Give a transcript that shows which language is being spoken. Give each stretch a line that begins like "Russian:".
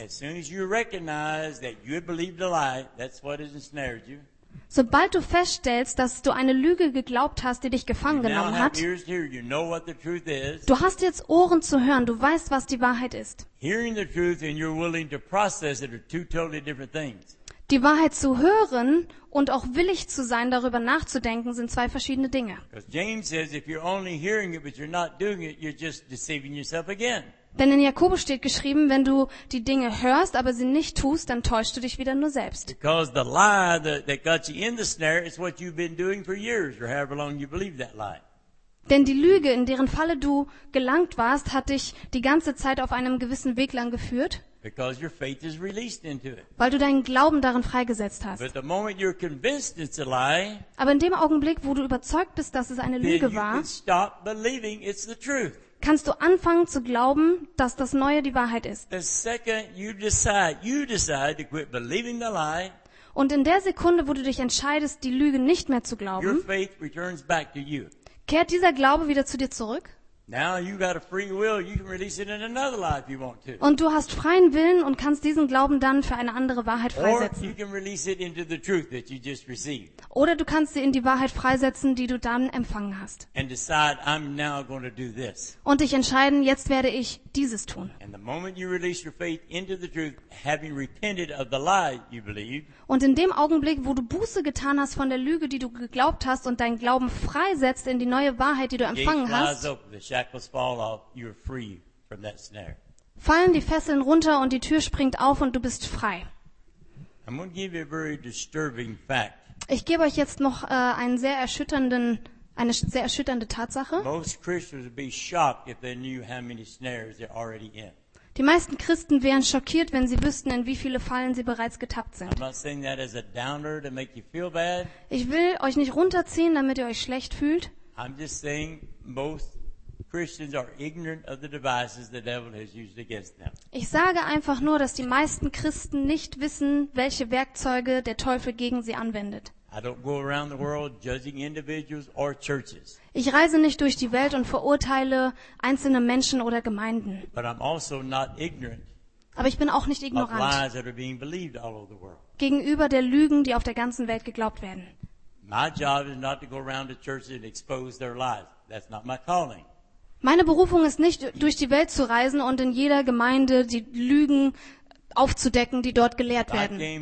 English: As soon as you recognize that you believed a lie, that's what has ensnared you.
German: Sobald du feststellst, dass du eine Lüge geglaubt hast, die dich gefangen genommen hat,
English: you know what the truth is.
German: Du hast jetzt Ohren zu hören, du weißt, was die Wahrheit ist.
English: Hearing the truth and you're willing to process it are two totally different things.
German: Die Wahrheit zu hören und auch willig zu sein, darüber nachzudenken, sind zwei verschiedene Dinge.
English: James says, if you're only hearing it, but you're not doing it, you're just deceiving yourself again.
German: Denn in Jakobus steht geschrieben, wenn du die Dinge hörst, aber sie nicht tust, dann täuschst du dich wieder nur selbst.
English: Because the lie that got you in the snare is what you've been doing for years, or however long you believe that lie.
German: Denn die Lüge, in deren Falle du gelangt warst, hat dich die ganze Zeit auf einem gewissen Weg lang geführt.
English: Because your faith is released into it.
German: Weil du deinen Glauben darin freigesetzt hast.
English: But the moment you're convinced it's a lie,
German: aber in dem Augenblick, wo du überzeugt bist, dass es eine Lüge war,
English: then you can stop believing it's the truth.
German: Kannst du anfangen zu glauben, dass das Neue die Wahrheit ist.
English: The second you decide to quit believing the lie,
German: und in der Sekunde, wo du dich entscheidest, die Lüge nicht mehr zu glauben,
English: your faith returns back to you.
German: Kehrt dieser Glaube wieder zu dir zurück.
English: Now you got a free will, you can release it in another life if you want to.
German: Und du hast freien Willen und kannst diesen Glauben dann für eine andere Wahrheit freisetzen.
English: Or you can release it into the truth that you just received.
German: Oder du kannst sie in die Wahrheit freisetzen, die du dann empfangen hast.
English: And decide, I'm now going to do this.
German: Und dich entscheiden, jetzt werde ich dieses tun.
English: And the moment you release your faith into the truth, having repented of the lie you believe.
German: Und in dem Augenblick, wo du Buße getan hast von der Lüge, die du geglaubt hast und deinen Glauben freisetzt in die neue Wahrheit, die du empfangen hast.
English: Shackles fall off, you're free from that snare.
German: Fallen die Fesseln runter und die Tür springt auf und du bist frei.
English: I'm going to give you a very disturbing fact.
German: Ich gebe euch jetzt noch eine sehr erschütternde Tatsache.
English: Most Christians would be shocked if they knew how many snares they're already in.
German: Die meisten Christen wären schockiert, wenn sie wüssten, in wie viele Fallen sie bereits getappt sind.
English: I'm not saying that as a downer to make you feel bad.
German: Ich will euch nicht runterziehen, damit ihr euch schlecht fühlt.
English: I'm just saying most Christians are ignorant of the devices the devil has used against them.
German: Ich sage einfach nur, dass die meisten Christen nicht wissen, welche Werkzeuge der Teufel gegen sie anwendet.
English: I don't go around the world judging individuals or churches.
German: Ich reise nicht durch die Welt und verurteile einzelne Menschen oder Gemeinden.
English: But I'm also not ignorant.
German: Aber ich bin auch nicht ignorant.
English: Of lies that are being believed all over the world.
German: Gegenüber der Lügen, die auf der ganzen Welt geglaubt werden.
English: My job is not to go around the churches and expose their lies. That's not my calling.
German: Meine Berufung ist nicht, durch die Welt zu reisen und in jeder Gemeinde die Lügen aufzudecken, die dort gelehrt werden.